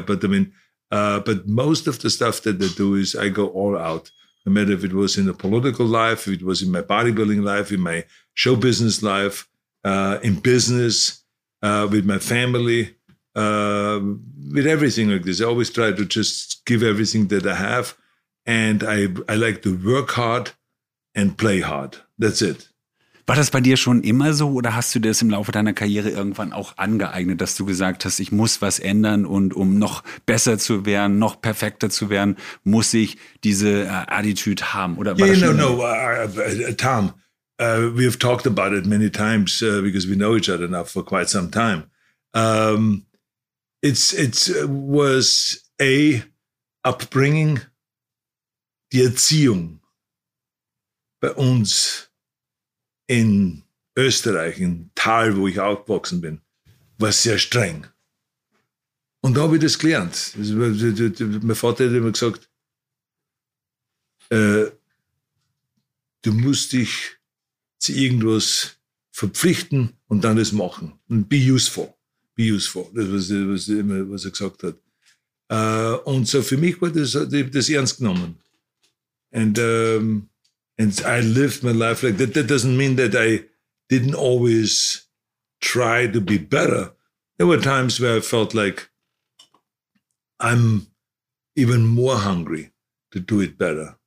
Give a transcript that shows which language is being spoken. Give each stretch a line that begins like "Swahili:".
English: But I mean, but most of the stuff that I do is I go all out, no matter if it was in the political life, if it was in my bodybuilding life, in my show business life, in business, with my family, with everything like this. I always try to just give everything that I have. And I like to work hard and play hard. That's it.
German: War das bei dir schon immer so oder hast du das im Laufe deiner Karriere irgendwann auch angeeignet, dass du gesagt hast, ich muss was ändern und um noch besser zu werden, noch perfekter zu werden, muss ich diese Attitude haben? Oder war
English: Tom, we have talked about it many times because we know each other now for quite some time. It was upbringing,
German: die Erziehung bei uns in Österreich, im Tal, wo ich aufgewachsen bin, war sehr streng. Und da habe ich das gelernt. Mein Vater hat immer gesagt, du musst dich zu irgendwas verpflichten und dann das machen. Und
English: be useful. Be useful.
German: Das war immer, was er gesagt hat. Und so für mich war das ernst genommen.
English: And I lived my life like that. That doesn't mean that I didn't always try to be better. There were times where I felt like I'm even more hungry to do it better.